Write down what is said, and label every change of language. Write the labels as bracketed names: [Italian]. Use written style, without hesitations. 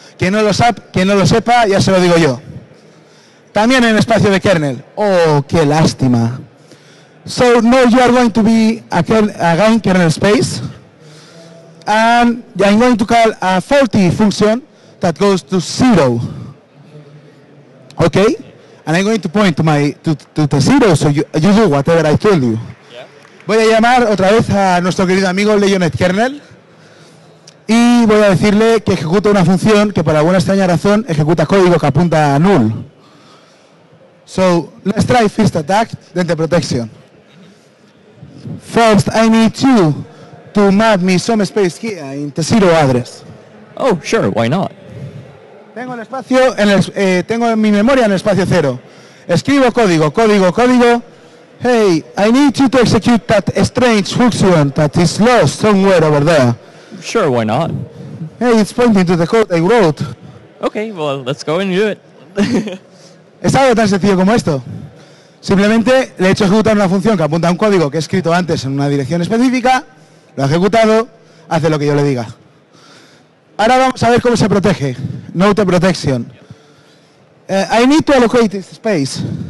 [Spanish] Quien no lo sepa, ya se lo digo yo. También en espacio de kernel. Oh, qué lástima. [English] So now you are going to be again kernel space. And I'm going to call a faulty function that goes to zero. Okay? And I'm going to point to the zero, so you do whatever I told you. [Spanish] Voy a llamar otra vez a nuestro querido amigo Leyonet Kernel. Y voy a decirle que ejecuta una función que por alguna extraña razón ejecuta código que apunta a null. [English] So, let's try first attack, then the protection. First, I need you to map me some space here in the zero address. Oh, sure, why not? [Spanish] Tengo mi memoria en el espacio cero. Escribo código. [English] Hey, I need you to execute that strange function that is lost somewhere over there. Sure, why not? Hey, it's pointing to the code I wrote. Okay, well, let's go and do it. [Spanish] Es algo tan sencillo como esto. Simplemente le he hecho ejecutar una función que apunta a un código que he escrito antes en una dirección específica, lo ha ejecutado, hace lo que yo le diga. Ahora vamos a ver cómo se protege. [English] Note protection. I need to allocate this space.